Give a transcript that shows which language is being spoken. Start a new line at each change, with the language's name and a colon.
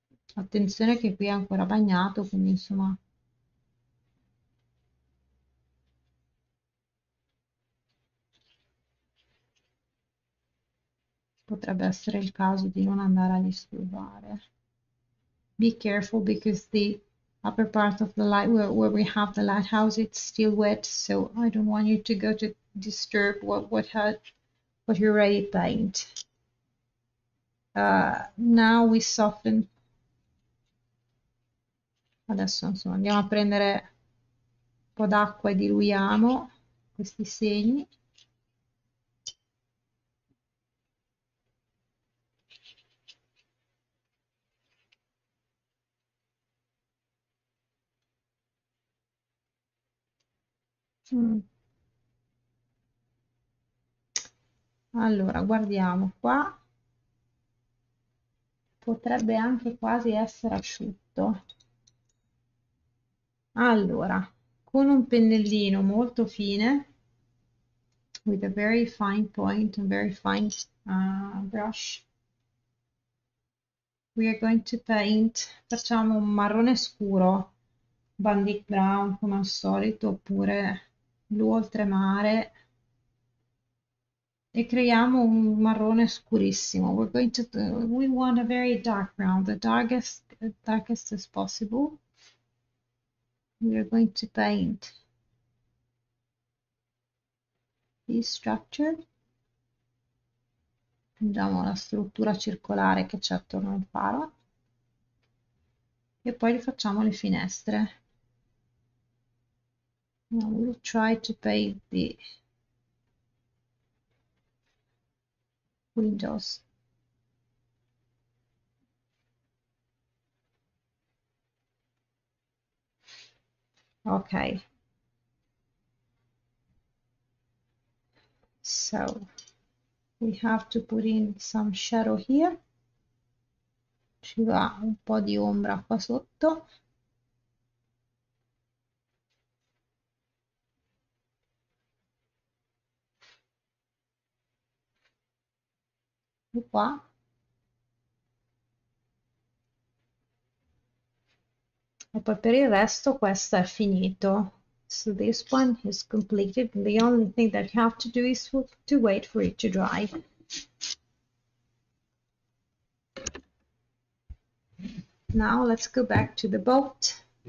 Italian: Ok. Attenzione che qui è ancora bagnato, quindi insomma. Potrebbe essere il caso di non andare a disturbare.
English: Be careful because the upper part of the light, where we have the lighthouse, it's still wet, so I don't want you to go to disturb what you already paint. Now we soften.
Italian: Adesso insomma andiamo a prendere un po' d'acqua e diluiamo questi segni. Allora, guardiamo qua. Potrebbe anche quasi essere asciutto. Allora, con un pennellino molto fine,
English: with a very fine point, a very fine brush, we are going to paint.
Italian: Facciamo un marrone scuro, Bandit Brown come al solito, oppure blu oltremare e creiamo un marrone scurissimo.
English: We're going to do, we want a very dark brown, the darkest as possible. We are going to paint this structure.
Italian: Prendiamo la struttura circolare che c'è attorno al faro e poi rifacciamo le finestre.
English: Now we'll try to paint the windows. Okay. So we have to put in some shadow here.
Italian: Ci va un po' di ombra qua sotto. Di qua. Attenzione per il resto, questo è finito.
English: So this one is completed. The only thing that you have to do is to wait for it to dry. Now let's go back to the boat.